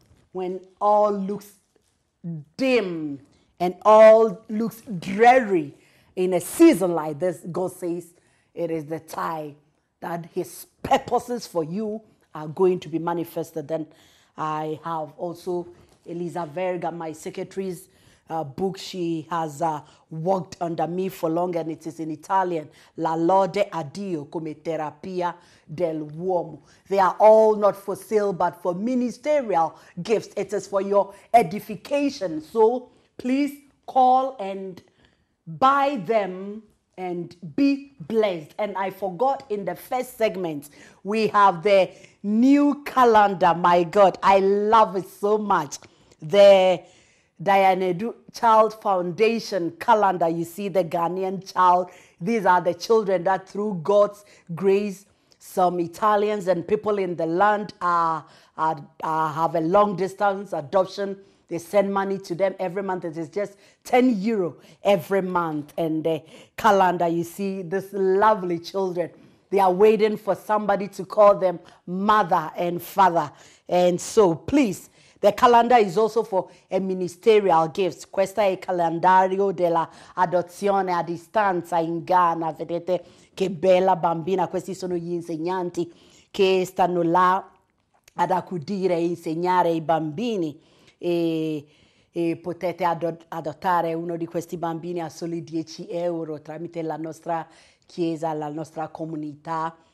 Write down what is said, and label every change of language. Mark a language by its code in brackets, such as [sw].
[en] When all looks dim and all looks dreary in a season like this, God says it is the time that his purposes for you are going to be manifested. Then I have also Elisa Verga, my secretary's book. She has worked under me for long, and it is in Italian. [it] La lode a Dio come terapia del uomo. [en] They are all not for sale, but for ministerial gifts. It is for your edification. So please call and buy them and be blessed. And I forgot, in the first segment, we have the new calendar. My God, I love it so much. The Diane Edu Child Foundation calendar. You see the Ghanaian child. These are the children that through God's grace, some Italians and people in the land have a long distance adoption. They send money to them every month. It is just 10 euro every month. And the calendar, you see these lovely children. They are waiting for somebody to call them mother and father. And so please, the calendar is also for a ministerial gift. [it] Questo è il calendario della adozione a distanza in Ghana. Vedete che bella bambina. Questi sono gli insegnanti che stanno là ad accudire e insegnare i bambini. E potete adottare uno di questi bambini a soli 10 euro tramite la nostra chiesa, la nostra comunità.